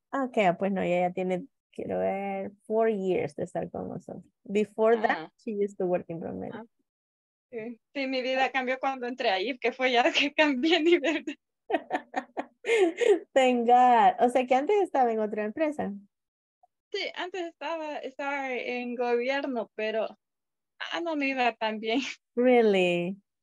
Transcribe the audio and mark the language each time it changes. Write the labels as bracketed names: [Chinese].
[Spanish] Okay, pues no, ella ya tiene, quiero ver, [English] 4 years [Spanish] de estar con nosotros. [English] Before that, she used to work in ProAmerica. Uh-huh. [Spanish] Sí, mi vida cambió cuando entré ahí, que fue ya que cambié de nivel. [English] Thank God. [Spanish] O sea, que antes estaba en otra empresa. Sí, antes estaba en gobierno, pero no me iba tan bien. [English] Really?